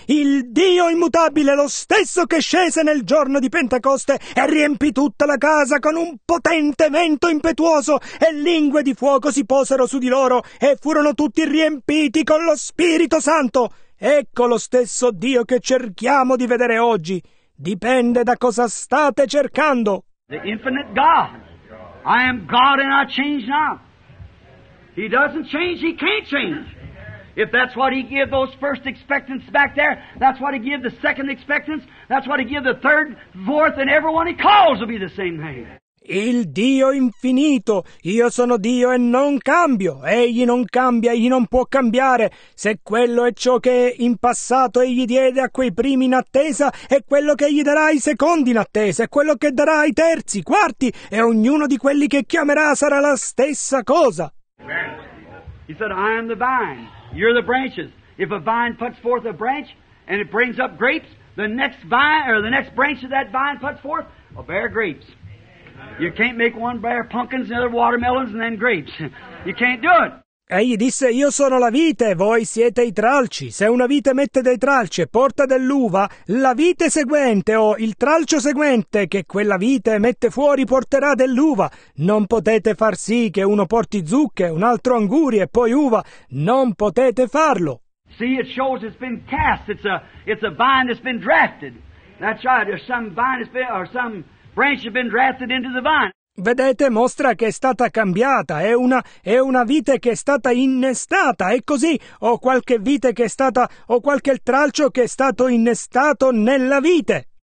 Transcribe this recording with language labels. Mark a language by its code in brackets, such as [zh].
[it] Il Dio immutabile, lo stesso che scese nel giorno di Pentecoste e riempì tutta la casa con un potente vento impetuoso, e lingue di fuoco si posero su di loro e furono tutti riempiti con lo Spirito Santo. Ecco lo stesso Dio che cerchiamo di vedere oggi. Dipende da cosa state cercando. [en] The infinite God. I am God and I change not. He doesn't change, he can't change. If that's what he gave those first expectants back there, that's what he gave the second expectants, that's what he gave the third, fourth, and everyone he calls will be the same name. [it] Il Dio infinito, io sono Dio e non cambio, egli non cambia, egli non può cambiare, se quello è ciò che in passato egli diede a quei primi in attesa, è quello che gli darà ai secondi in attesa, è quello che darà ai terzi, quarti, e ognuno di quelli che chiamerà sarà la stessa cosa. [en] He said, I am the vine, you're the branches. If a vine puts forth a branch and it brings up grapes, the next vine or the next branch of that vine puts forth will bear grapes. You can't make one bear pumpkins, another watermelons, and then grapes. You can't do it. [it] Egli disse, io sono la vite, voi siete i tralci. Se una vite mette dei tralci e porta dell'uva, la vite seguente o il tralcio seguente che quella vite mette fuori porterà dell'uva. Non potete far sì che uno porti zucche, un altro angurie e poi uva. Non potete farlo. [en] See, it shows it's been cast. It's a vine that's been drafted. That's right, there's some vine that's been, or some branch has been drafted into the vine. [it] Vedete, mostra che è stata cambiata, è una vite che è stata innestata, è così, o qualche vite che è stata, o qualche tralcio che è stato innestato nella vite.